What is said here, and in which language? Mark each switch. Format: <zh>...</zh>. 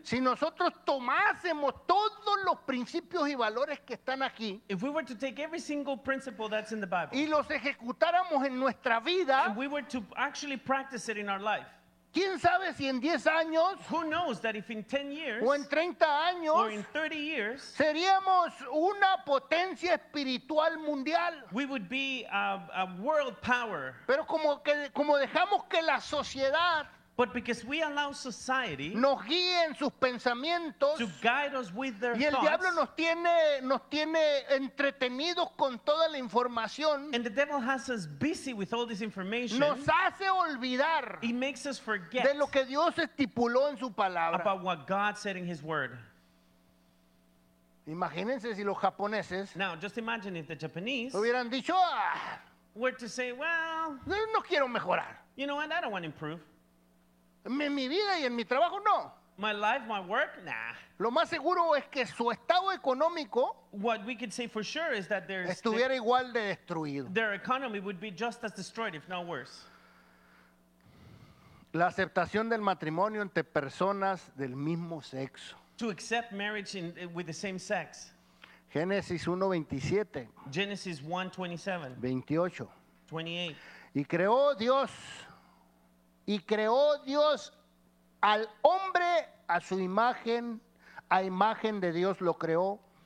<es>si nosotros tomásemos todos los principios y valores que están aquí</es> <en>if we were to take every single principle that's in the Bible</en> <es>y los ejecutáramos en nuestra vida</es> <en>and we were to actually practice it in our life</en> <es>quién sabe si en 10 años</es> <en>who knows that if in 10 years</en> <es>o en 30 años</es> <en>or in 30 years</en> <es>seríamos una potencia espiritual mundial</es> <en>we would be a world power</en> <es>pero como dejamos que la sociedad</es> <en>but because we allow society</en> <es>nos guíen sus pensamientos</es> <en>to guide us with their thoughts</en> <es>y el diablo nos tiene entretenidos con toda la información</es> <en>and the devil has us busy with all this information</en> <es>nos hace olvidar</es> <en>he makes us forget</en> <es>de lo que Dios estipuló en su palabra</es> <en>about what God said in his word.</en> <es>Imagínense si los japoneses</es> <en>now just imagine if the Japanese</en> <es>hubieran dicho</es> <en>were to say well</en> <es>no quiero mejorar</es> <en>you know what I don't want to improve</en> <es>en mi vida y en mi trabajo no.</es> <en>My life, my work, nah.</en> <es>Lo más seguro es que su estado económico</es> <en>what we could say for sure is that there's</en> <es>estuviera igual de destruido.</es> <en>Their economy would be just as destroyed if not worse.</en> <es>La aceptación del matrimonio entre personas del mismo sexo.</es> <en>To accept marriage with the same sex.</en> <es>Génesis 1:27.</es> <en>Genesis 1:27.</en> <es>28.</es> <en>28.</en> <es>Y creó Dios al hombre a su imagen, a imagen de Dios lo creó.</es>